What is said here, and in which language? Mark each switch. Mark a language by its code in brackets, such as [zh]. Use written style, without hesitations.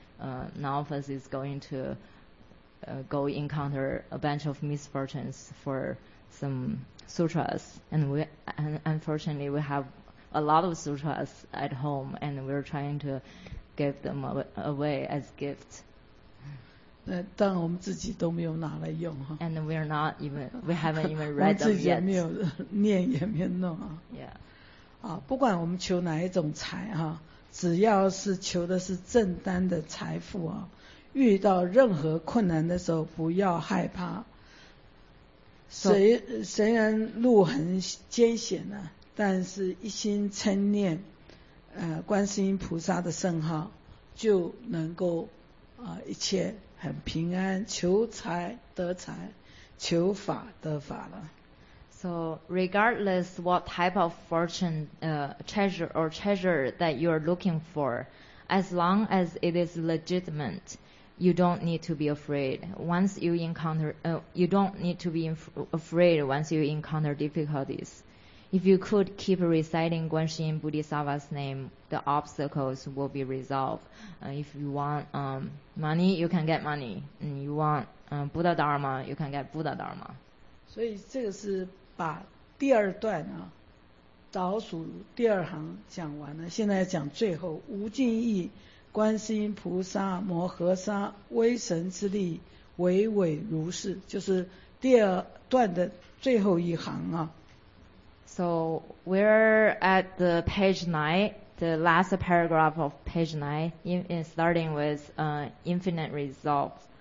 [en] None of us is going to go encounter a bunch of misfortunes for some sutras. And unfortunately, we have a lot of sutras at home, and we're trying to give them away as gifts. [zh] 但我们自己都没有拿来用哈。 [en] And we haven't even read them yet. [zh] 我们自己也没有念，也没有弄啊。 [en] Yeah. [zh] 啊，不管我们求哪一种财哈、啊，只要是求的是正单的财富啊，遇到任何困难的时候，不要害怕。虽然路很艰险呢、啊，但是一心称念，观世音菩萨的圣号，就能够啊一切。很平安，求财得财，求法得法了。 [en] So regardless what type of fortune, treasure or treasure that you are looking for, as long as it is legitimate, you don't need to be afraid. Once you encounter, you don't need to be afraid once you encounter difficulties. If you could keep reciting Guanxin Bodhisattva's name, the obstacles will be resolved. If you want money, you can get money. And you want Buddha Dharma, you can get Buddha Dharma. [zh] 所以这个是把第二段啊，倒数第二行讲完了，现在讲最后无尽意，观世音菩萨摩诃萨威神之力，巍巍如是，就是第二段的最后一行啊。 [en] So we're at the page 9, the last paragraph of page 9, in starting with infinite resolve.